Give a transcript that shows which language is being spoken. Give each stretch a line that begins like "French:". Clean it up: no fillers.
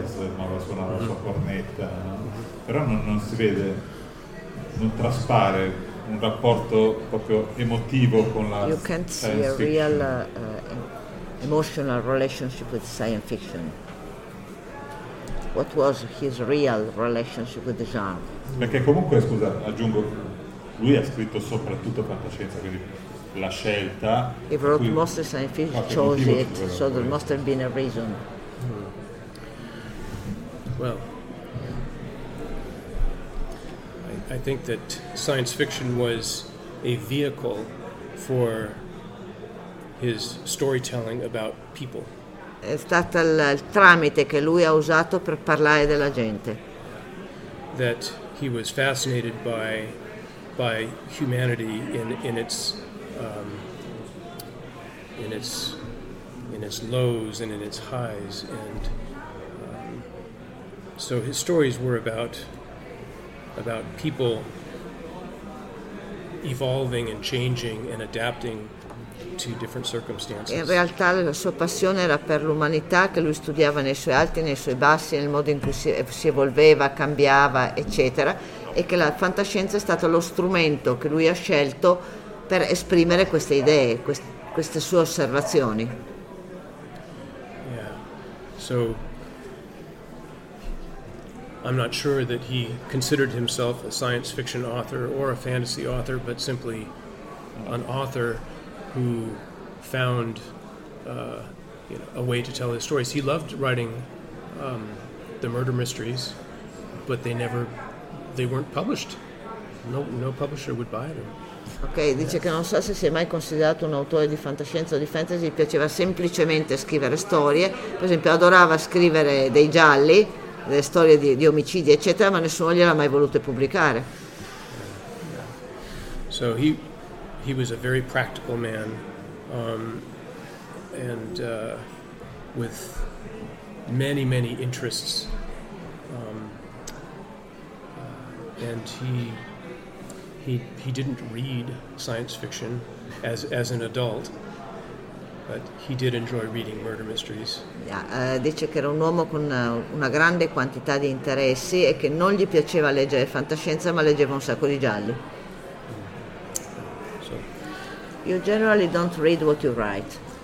Italian: Jazz, amava suonare la sua cornetta, no? Però non si vede, non traspare un rapporto proprio emotivo con la
English: science fiction. You can't see a real emotional relationship with science fiction? What was his real relationship with the genre?
Italian: Perché comunque, scusa, aggiungo, lui ha scritto soprattutto fantascienza, quindi la scelta.
English: He wrote mostly science fiction, chose it, so there must have been a reason. Well, I think that science fiction was a vehicle for his storytelling about people.
Italian: È stato il tramite che lui ha usato per parlare della gente.
English: That he was fascinated by humanity in its lows and in its highs, and so his stories were about people evolving and changing and adapting to different circumstances.
Italian: In realtà la sua passione era per l'umanità, che lui studiava nei suoi alti, nei suoi bassi, nel modo in cui si evolveva, cambiava, eccetera, e che la fantascienza è stato lo strumento che lui ha scelto per esprimere queste idee, queste sue osservazioni.
English: Yeah. So I'm not sure that he considered himself a science fiction author or a fantasy author, but simply an author who found a way to tell his stories. He loved writing the murder mysteries, but they weren't published. No publisher would buy them.
Italian: Okay, dice che non so se si è mai considerato un autore di fantascienza o di fantasy. Gli piaceva semplicemente scrivere storie. Per esempio, adorava scrivere dei gialli, delle storie di omicidi, eccetera, ma nessuno gliel'ha mai voluto pubblicare.
English: So he was a very practical man, and with many, many interests. And he didn't read science fiction as an adult, but he did enjoy reading murder mysteries.
Italian: Dice che era un uomo con una grande quantità di interessi e che non gli piaceva leggere fantascienza, ma leggeva un sacco di gialli.
English: So, you generally don't read what you write.